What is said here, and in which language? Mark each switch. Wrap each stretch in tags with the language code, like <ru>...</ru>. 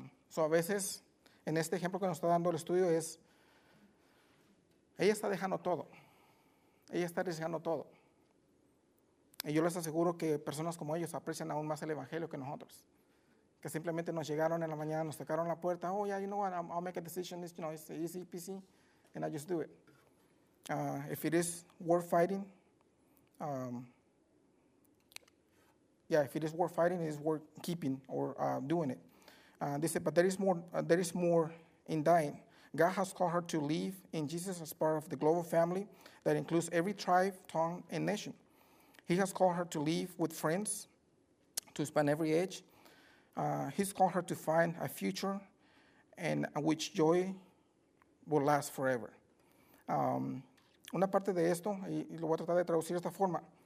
<es>So a veces, en este ejemplo que nos está dando el estudio, es, ella está dejando todo. Ella está arriesgando todo. Y yo les aseguro que personas como ellos aprecian aún más el evangelio que nosotros. Que simplemente nos llegaron en la mañana, nos tocaron la puerta.</es> <en>Oh, yeah, you know what, I'll make a decision. It's, you know, it's easy, peasy, and I just do it. If it is worth fighting, if it is worth fighting, it is worth keeping or doing it. They said, but there is more in dying. God has called her to live in Jesus as part of the global family that includes every tribe, tongue, and nation. He has called her to live with friends, to span every age. He's called her to find a future in which joy will last forever.</en> <es>Una parte de esto, y lo voy a tratar de traducir de esta forma.</es>